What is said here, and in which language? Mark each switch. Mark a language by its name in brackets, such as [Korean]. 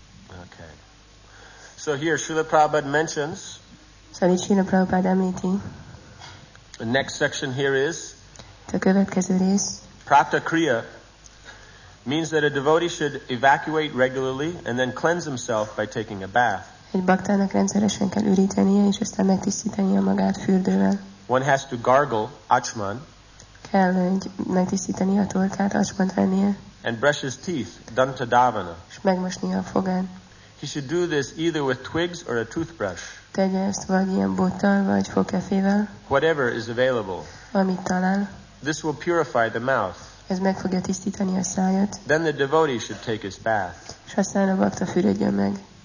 [English] Okay. So here Srila Prabhupada mentions. [Hungarian] So Srila Prabhupada említi. [English] The next section here is. [Hungarian] A következő rész. [English] Prapta Kriya means that a devotee should evacuate regularly and then cleanse himself by taking a bath. [Hungarian] Egy baktának rendszeresen kell ürítenie és aztán megtisztítania magát fürdővel. [English] One has to gargle acsman. [Hungarian] Kell megtisztítani a torkát, acsmant vennie. [English] And brush his teeth, danta davana. [Hungarian] És megmosni a fogát. [English] He should do this either with twigs or a toothbrush. [Hungarian] Tegye ezt vagy ilyen bottal, vagy fogkefével. [English] Whatever is available. [Hungarian] Amit talál. [English] This will purify the mouth. [Hungarian] Ez meg fogja tisztítani a száját. [English] Then the devotee should take his bath. [Hungarian] És aztán a bakta fürödjön meg.